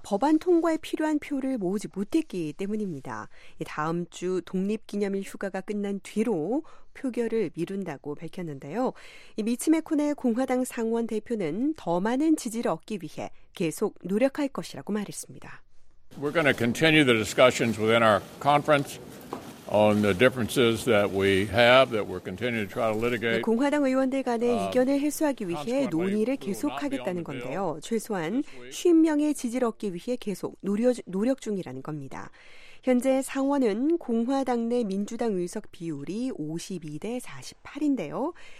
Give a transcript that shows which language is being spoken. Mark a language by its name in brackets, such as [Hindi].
[Korean] 법안 통과에 필요한 표를 모으지 못했기 때문입니다. 다음 주 독립기념일 휴가가 끝난 뒤로 표결을 미룬다고 밝혔는데요. 이 미치 맥코넬 공화당 상원 대표는 더 많은 지지를 얻기 위해 계속 노력할 것이라고 말했습니다. [English] We're going to continue the discussions within our conference. On the differences that we have, that we're continuing to try to litigate. [Korean] 공화당 의원들 간의 이견을 해소하기 위해 논의를 계속하겠다는 건데요. 최소한 50명의 지지를 얻기 위해 계속 노력 중이라는 겁니다. 현재 상원은 공화당 내 민주당 의석 비율이 52-48인데요.